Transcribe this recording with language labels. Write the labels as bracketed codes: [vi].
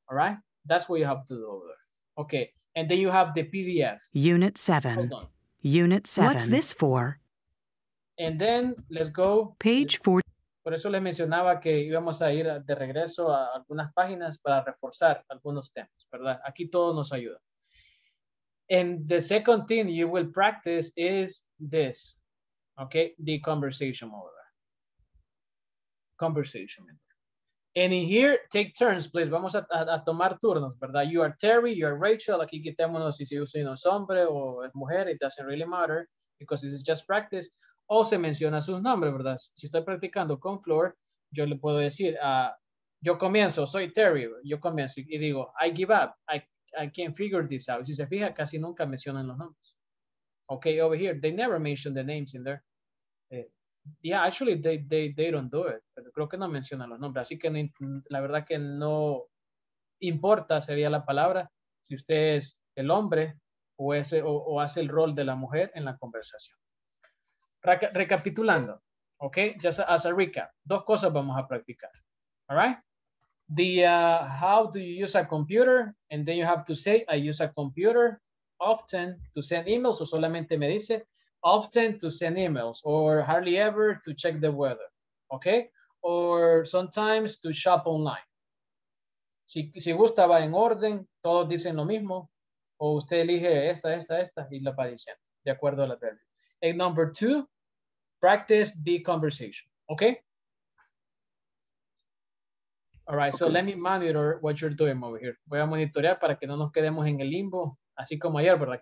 [en] All right? That's what you have to do over. Okay. And then you have the PDF. Unit 7. Hold on. Unit 7. What's this for? And then let's go. Page 4. [es] Por eso les mencionaba que íbamos a ir de regreso a algunas páginas para reforzar algunos temas, ¿verdad? Aquí todo nos ayuda. [en] And the second thing you will practice is this, okay? The conversation mode. Conversation mode. And in here, take turns, please. [es] Vamos a tomar turnos, ¿verdad? [en] You are Terry, you are Rachel. [es] Aquí quitémonos si yo soy un hombre o es mujer. [en] It doesn't really matter because this is just practice. [es] O se menciona sus nombres, ¿verdad? Si estoy practicando con Flor, yo le puedo decir, yo comienzo, soy Terry. Yo comienzo y digo, [en] I give up. I can't figure this out. [es] Si se fija, casi nunca mencionan los nombres. [en] Okay, over here, they never mention the names in there. Yeah, actually, they don't do it. [es] Pero creo que no mencionan los nombres. Así que no, la verdad que no importa, sería la palabra, si usted es el hombre o hace el rol de la mujer en la conversación. Recapitulando, [en] ok, just as a recap, [es] dos cosas vamos a practicar, [en] all right? The how do you use a computer, and then you have to say, I use a computer often to send emails, [es] o solamente me dice, [en] often to send emails, or hardly ever to check the weather, ok, or sometimes to shop online. [es] Si gusta, va en orden, todos dicen lo mismo, o usted elige esta, y lo va diciendo, de acuerdo a la teoría. [en] And number two, practice the conversation, okay? All right, okay. So let me monitor what you're doing over here. [es] Voy a monitorear para que no nos quedemos en el limbo, así como ayer, ¿verdad?